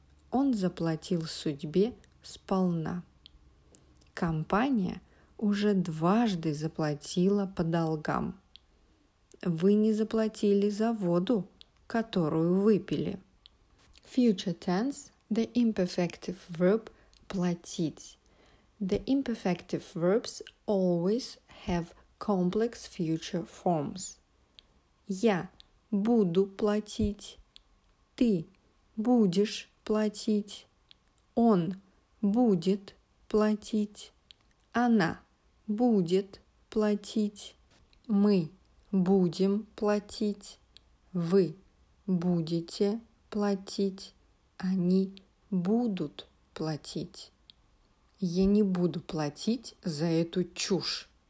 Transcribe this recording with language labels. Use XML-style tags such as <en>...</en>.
<ru>Он заплатил судьбе сполна. Компания уже дважды заплатила по долгам. Вы не заплатили за воду, которую выпили.</ru> <en>Future tense, the imperfective verb платить. The imperfective verbs always have complex future forms.</en> <ru>Я буду платить. Ты будешь платить, он будет платить, она будет платить, мы будем платить, вы будете платить, они будут платить. Я не буду платить за эту чушь.</ru>